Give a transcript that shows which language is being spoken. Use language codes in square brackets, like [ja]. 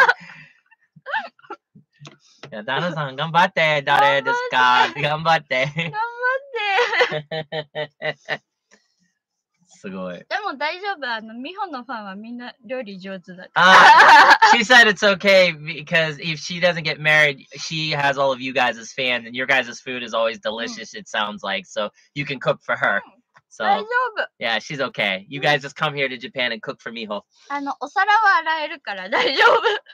[ja] いや、旦那さん、頑張って。誰ですか？頑張って。頑張って。すごい。でも大丈夫、美穂のファンはみんな料理上手だから。 [en] She said it's okay because if she doesn't get married, she has all of you guys' fans and your guys' food is always delicious, it sounds like. So you can cook for her. So, [ja] 大丈夫。 [en] Yeah, she's okay. You guys just come here to Japan and cook for Miho. [ja] お皿は洗えるから大丈夫。